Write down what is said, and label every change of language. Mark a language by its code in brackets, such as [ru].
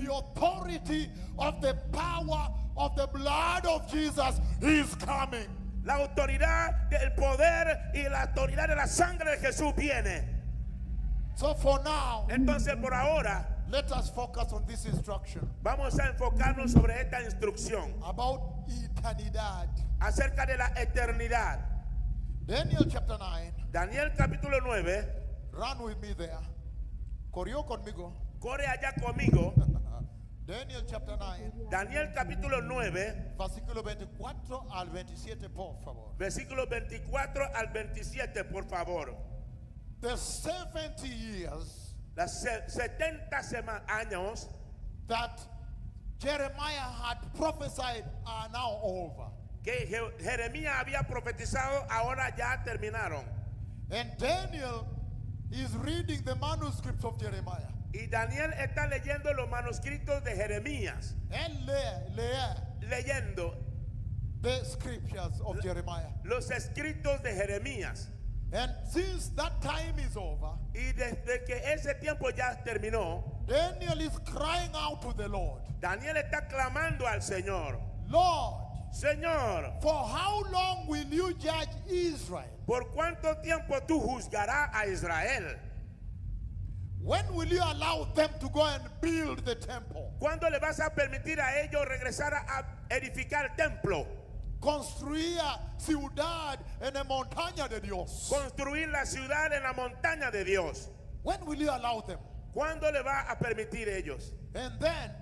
[en] The authority of the power of the blood of Jesus is coming. [es] La autoridad del poder y la autoridad de la sangre de Jesús viene. [en] So for now, [es] entonces por ahora, [en] let us focus on this instruction. [es] Vamos a enfocarnos sobre esta instrucción. [en] About eternidad. [es] Acerca de la eternidad. [en] Daniel chapter 9. [es] Daniel capítulo 9. [en] Run with me there. [es] Corrió conmigo. Corre allá conmigo. [en] Daniel chapter 9. [es] Daniel capítulo 9. Versículo 24 al 27, por favor. Versículo 24 al 27, por favor. [en] The 70 years. [es] Las 70 años. [en] That Jeremiah had prophesied are now over. [es] Que Jeremías había profetizado ahora ya terminaron. [en] And Daniel is reading the manuscripts of Jeremiah. [es] Y Daniel está leyendo los manuscritos de Jeremías. Él lee. Leyendo. [en] The scriptures of Jeremiah. [es] Los escritos de Jeremías. [en] And since that time is over. [es] Y desde que ese tiempo ya terminó. [en] Daniel is crying out to the Lord. [es] Daniel está clamando al Señor. [en] Lord. [es] Señor. [en] For how long will you judge Israel? [es] ¿Por cuánto tiempo tú juzgarás a Israel? [en] When will you allow them to go and build the temple? [es] ¿Cuándo le vas a permitir a ellos regresar a edificar el templo? Construir ciudad en la montaña de Dios. Construir la ciudad en la montaña de Dios. [en] When will you allow them? [es] ¿Cuándo le va a permitir ellos? [en] And then,